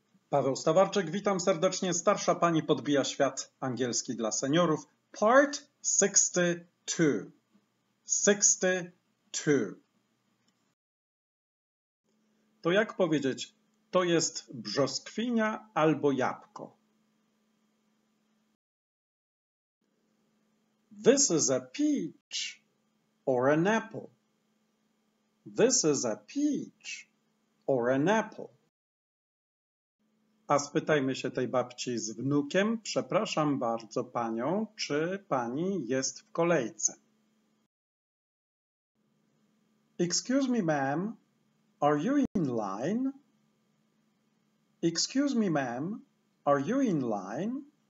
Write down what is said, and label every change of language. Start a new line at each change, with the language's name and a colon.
Polish: Paweł Stawarczyk, witam serdecznie. Starsza pani podbija świat angielski dla seniorów.
English: Part 62. 62.
Polish: To jak powiedzieć, to jest brzoskwinia albo jabłko?
English: This is a peach or an apple. This is a peach or an apple.
Polish: A spytajmy się tej babci z wnukiem. Przepraszam bardzo panią, czy pani jest w kolejce?
English: Excuse me, ma'am, are you in line? Excuse me, ma'am, are you in line?